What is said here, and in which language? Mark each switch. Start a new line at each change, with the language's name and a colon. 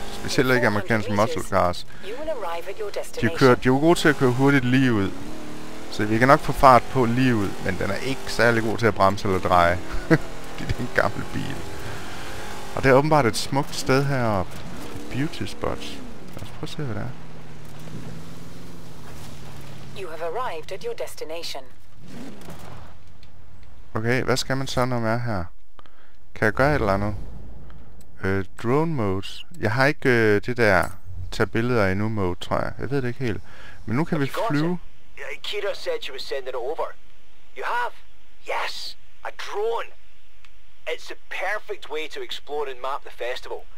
Danish: Specielt ikke amerikanske muscle cars. De var gode til at køre hurtigt lige ud. Så vi kan nok få fart på lige ud, men den er ikke særlig god til at bremse eller dreje. Det er en gammel bil. Og det er åbenbart et smukt sted heroppe. Et beauty spot. Lad os prøve at se, hvad det er.
English: You have arrived at your destination.
Danish: Okay, hvad skal man så, når man er her? Kan jeg gøre et eller andet? Drone mode. Jeg har ikke det der tage billeder endnu mode, tror jeg. Jeg ved det ikke helt. Men nu kan vi flyve.
English: Kira said she was sending it over. You have? Yes, a drone. It's the perfect way to explore and map the festival.